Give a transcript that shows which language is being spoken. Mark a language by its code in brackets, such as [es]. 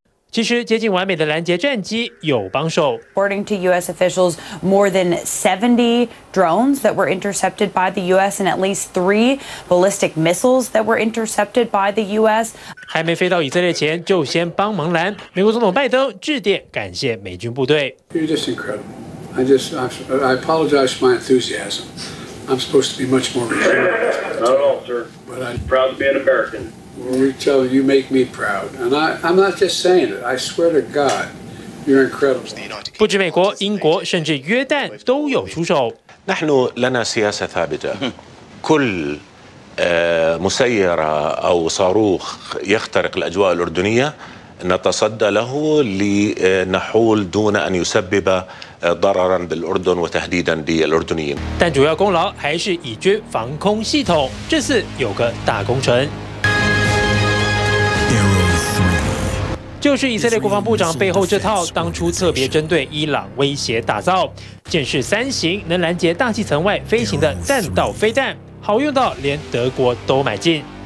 [zh] 其实接近完美的拦截战机有帮手。 [en] According to U.S. officials, more than 70 drones that were intercepted by the U.S. and at least 3 ballistic missiles that were intercepted by the U.S. [zh] 还没飞到以色列前就先帮忙拦。美国总统拜登致电感谢美军部队。 [en] You're just incredible. I apologize for my enthusiasm. I'm supposed to be much more mature. Not at all, sir. But I'm proud to be an American. We tell you, you make me proud. And I'm not just saying it. I swear to God, you're incredible. [zh] 不止美国，英国甚至约旦都有出手。 [ar] نحن لنا سياسة ثابتة. كل مسيرة أو صاروخ يخترق الأجواء الأردنية نتصدى له لنحول دون أن يسبب ضررا بالأردن وتهديدا للأردنيين. [zh] 但主要功劳还是以军防空系统，这次有个大工程。就是以色列国防部长背后这套当初特别针对伊朗威胁打造箭矢三型能拦截大气层外飞行的弹道飞弹，好用到连德国都买进。